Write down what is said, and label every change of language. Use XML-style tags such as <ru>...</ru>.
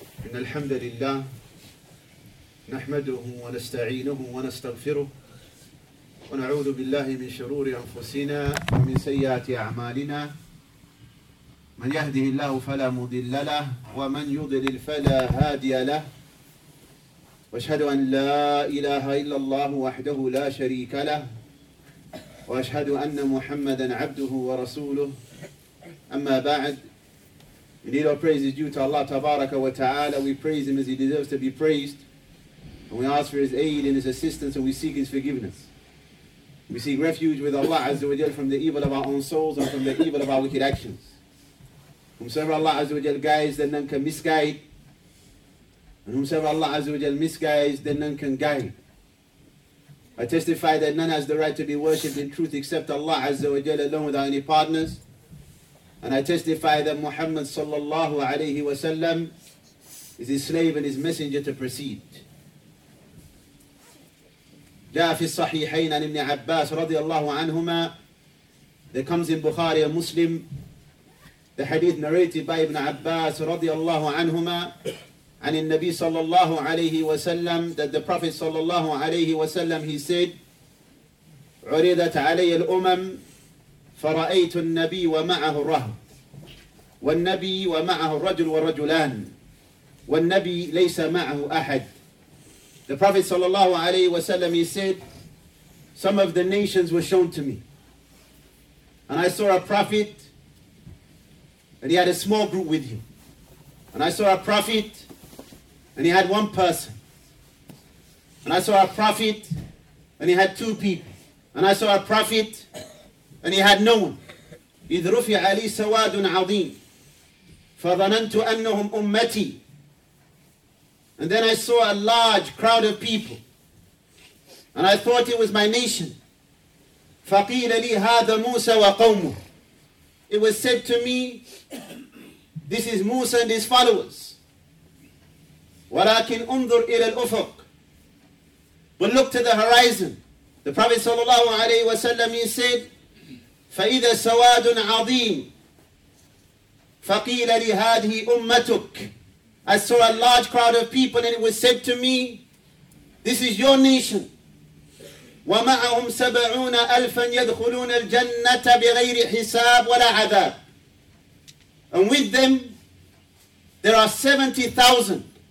<ar>إن الحمد لله نحمده ونستعينه ونستغفره ونعوذ بالله من شرور أنفسنا ومن سيئات أعمالنا، من يهده الله فلا مضل له ومن يضلل فلا هادي له، وأشهد أن لا إله إلا الله وحده لا شريك له، وأشهد أن محمدا عبده ورسوله. أما بعد،</ar> <en>indeed our praise is due to Allah tabaraka wa ta'ala. We praise him as he deserves to be praised, and we ask for his aid and his assistance, and we seek his forgiveness. We seek refuge with Allah azza wa jal from the evil of our own souls and from the evil of our wicked actions. Whomsoever Allah azza wa jal guides, then none can misguide, and whomsoever Allah azza wa jal misguides, then none can guide. I testify that none has the right to be worshipped in truth except Allah azza wa jal alone without any partners. And I testify that Muhammad sallallahu alayhi wa sallam is his slave and his messenger to proceed.</en> <ar>جاء في الصحيحين عن ابن عباس رضي الله عنهما.</ar> <en>There comes in Bukhari and Muslim the hadith narrated by Ibn Abbas</en> <ar>رضي الله عنهما عن النبي صلى الله عليه وسلم</ar> <en>that the Prophet</en> <ar>صلى الله عليه وسلم</ar> <en>he said</en> <ar>عرضت علي الأمم فرأيت النبي ومعه الرهب والنبي ومعه الرجل والرجلان والنبي ليس معه أحد.</ar> <en>The Prophet sallallahu alayhi wa sallam, he said, some of the nations were shown to me, and I saw a prophet, and he had a small group with him, and I saw a prophet, and he had one person, and I saw a prophet, and he had two people, and I saw a prophet, and he had no one.</en> <ar>إذ رفع لي سواد عظيم فظننت أنهم أمتي.</ar> <en>And then I saw a large crowd of people, and I thought it was my nation.</en> <ar>فقيل لي هذا موسى وقومه.</ar> <en>It was said to me, this is Musa and his followers.</en> <ar>ولكن انظر إلى الأفق.</ar> <en>But look to the horizon. The Prophet</en> <ar>صلى الله عليه وسلم,</ar> <en>he said,</en> <ar>فإذا سواد عظيم فقيل لي هذه أمتك.</ar> <en>I saw a large crowd of people, and it was said to me, this is your nation.</en> <ar>وَمَعَهُمْ سَبَعُونَ أَلْفًا يَدْخُلُونَ الْجَنَّةَ بِغَيْرِ حِسَابٍ وَلَا عَذَابٍ.</ar> <en>And with them, there are 70,000.</en>